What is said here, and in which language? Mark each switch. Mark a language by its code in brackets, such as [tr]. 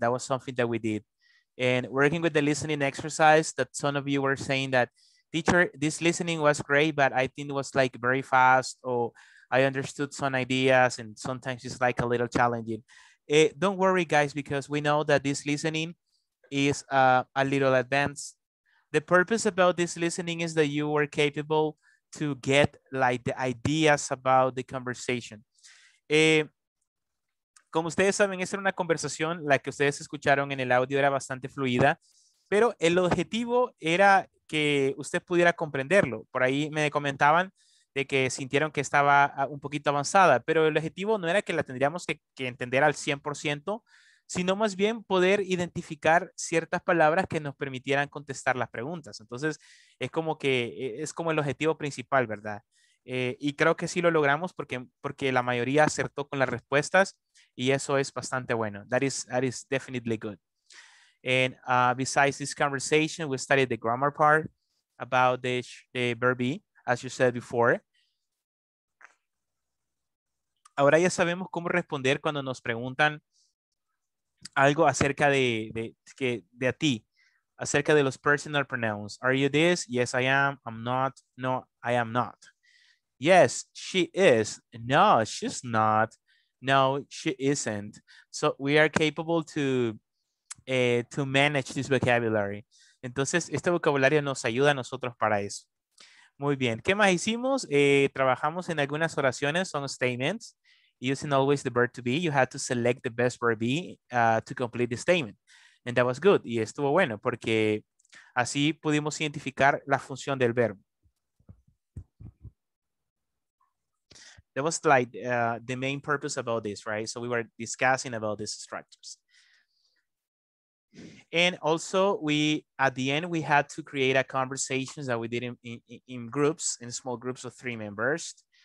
[en] That was something that we did. And working with the listening exercise that some of you were saying that, teacher, this listening was great, but I think it was like very fast, or I understood some ideas and sometimes it's like a little challenging. Don't worry guys, because we know that this listening is a little advanced. The purpose about this listening is that you were capable to get like the ideas about the conversation. [es] Como ustedes saben, esa era una conversación, la que ustedes escucharon en el audio era bastante fluida, pero el objetivo era que usted pudiera comprenderlo. Por ahí me comentaban de que sintieron que estaba un poquito avanzada, pero el objetivo no era que la tendríamos que entender al 100%, sino más bien poder identificar ciertas palabras que nos permitieran contestar las preguntas. Entonces, es como el objetivo principal, ¿verdad? Y creo que sí lo logramos porque la mayoría acertó con las respuestas. y eso es bastante bueno. [en] That is definitely good. And besides this conversation, we studied the grammar part about the verb be, as you said before. [es] Ahora ya sabemos cómo responder cuando nos preguntan algo acerca de a ti, acerca de los personal pronouns. [en] Are you this? Yes, I am. I'm not. No, I am not. Yes, she is. No, she's not. No, she isn't. So we are capable to manage this vocabulary. [es] Entonces, este vocabulario nos ayuda a nosotros para eso. Muy bien. ¿Qué más hicimos? Trabajamos en algunas oraciones, son statements. [en] Using always the verb to be, you had to select the best verb be to complete the statement. And that was good. [es] Y estuvo bueno porque así pudimos identificar la función del verbo. [en] That was like the main purpose about this, right? So we were discussing about these structures. And also we, at the end, we had to create a conversation that we did in groups, in small groups of 3 members.